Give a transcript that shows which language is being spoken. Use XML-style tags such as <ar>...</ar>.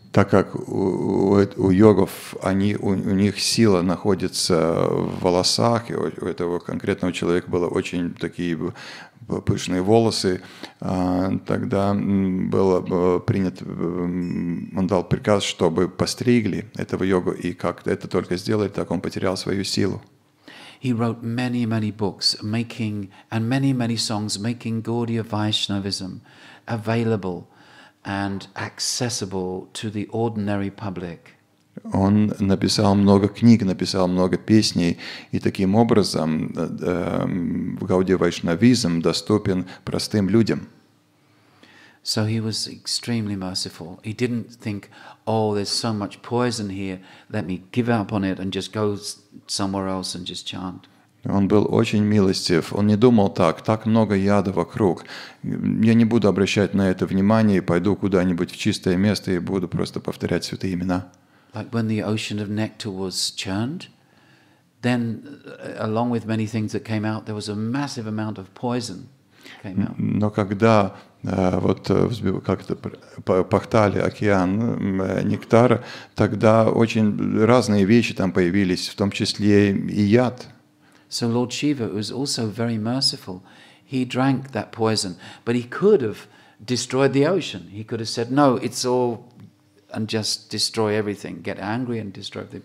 <ru>Так как у йогов они у них сила находится в волосах, и у этого конкретного человека было очень такие пышные волосы, тогда было принято, он дал приказ, чтобы постригли этого йогу, и как это только сделали, так он потерял свою силу.</ru> <en>He wrote many, many books, making and many, many songs, making Gaudiya Vaishnavism available and accessible to the ordinary public.</en> <ru>Он написал много книг, написал много песней, и таким образом Гаудия Вайшнавизм доступен простым людям.</ru> <en>So he was extremely merciful. He didn't think, oh, there's so much poison here, let me give up on it and just go somewhere else and just chant.</en> <ru>Он был очень милостив. Он не думал так, так много яда вокруг. Я не буду обращать на это внимание и пойду куда-нибудь в чистое место и буду просто повторять святые имена.</ru> <en>Like when the ocean of nectar was churned, then along with many things that came out, there was a massive amount of poison.</en> <ru>Но когда вот как-то пахтали океан нектара, тогда очень разные вещи там появились, в том числе и яд.</ru> <en>So Lord Shiva was also very merciful. He drank that poison, but he could have destroyed the ocean. He could have said, "No, it's all," and just destroy everything, get angry and destroy everything.</en>